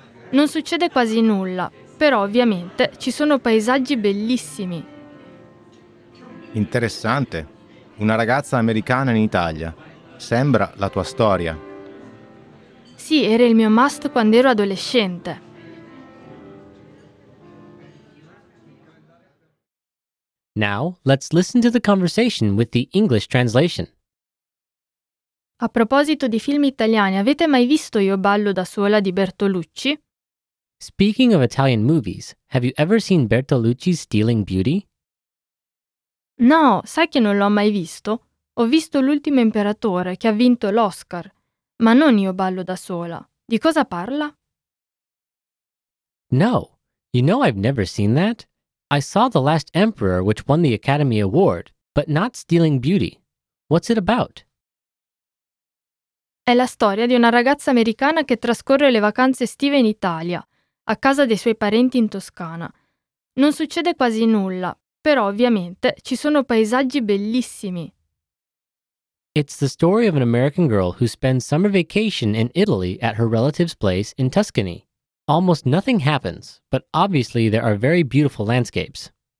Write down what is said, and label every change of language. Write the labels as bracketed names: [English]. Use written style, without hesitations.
[Italian] Non succede quasi nulla, però ovviamente ci sono paesaggi bellissimi. Interessante. Una ragazza americana in Italia. Sembra la tua storia. Sì, era il mio must quando ero adolescente. [English] Now, let's listen to the conversation with the English translation. [Italian] A proposito di film italiani, avete mai visto Io ballo da sola di Bertolucci? [English] Speaking of Italian movies, have you ever seen Bertolucci's Stealing Beauty? [Italian] No, sai che non l'ho mai visto? Ho visto L'ultimo imperatore che ha vinto l'Oscar, ma non Io ballo da sola. Di cosa parla? [English] No, you know I've never seen that? I saw The Last Emperor, which won the Academy Award, but not Stealing Beauty. What's it about? [Italian] È la storia di una ragazza americana che trascorre le vacanze estive in Italia, a casa dei suoi parenti in Toscana. Non succede quasi nulla, però ovviamente ci sono paesaggi bellissimi. [English] It's the story of an American girl who spends summer vacation in Italy at her relative's place in Tuscany. Almost nothing happens, but obviously there are very beautiful landscapes.